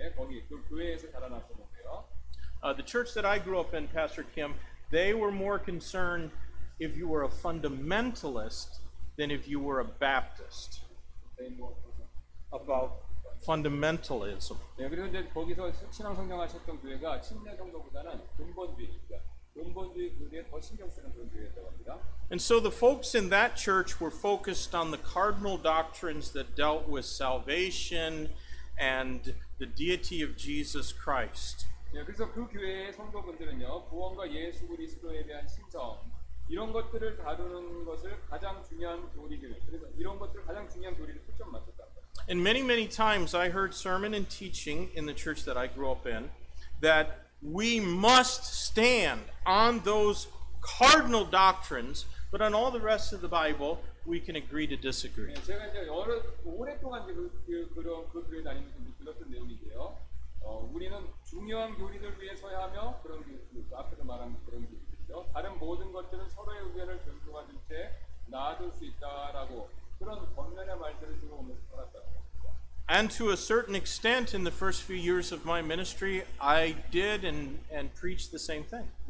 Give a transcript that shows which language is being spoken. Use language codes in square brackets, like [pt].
[en] The church that I grew up in, Pastor Kim, they were more concerned if you were a fundamentalist than if you were a Baptist. About fundamentalism. [ko] 네, 그리고 이제 거기서 신앙 성장하셨던 교회가 침례 정도보다는 근본주의, 그러니까 근본주의 교회에 더 신경 쓰는 그런 교회였다고 합니다. [en] And so the folks in that church were focused on the cardinal doctrines that dealt with salvation and the deity of Jesus Christ. [ko] 네, 그래서 그 교회의 성도분들은요, 구원과 예수 그리스도에 대한 신성 이런 것들을 다루는 것을 가장 중요한 교리들, 그래서 이런 것들을 가장 중요한 교리를 초점 맞췄다. [en] And many, many times I heard sermon and teaching in the church that I grew up in that we must stand on those cardinal doctrines, but on all the rest of the Bible, we can agree to disagree. [ko] 네, 제가 이제 오랫동안 그 교회 다니면서 들었던 내용인데요. 우리는 중요한 교리를 위해 서야 하며, 그런 교리, 앞에서 말한 그런 교리죠. 다른 모든 것들은 서로의 의견을 존중한 채 나아질 수 있다라고 그런 권면의 말씀을 주고 오면서 살았다. [en] And to a certain extent, in the first few years of my ministry, I did and preached the same thing.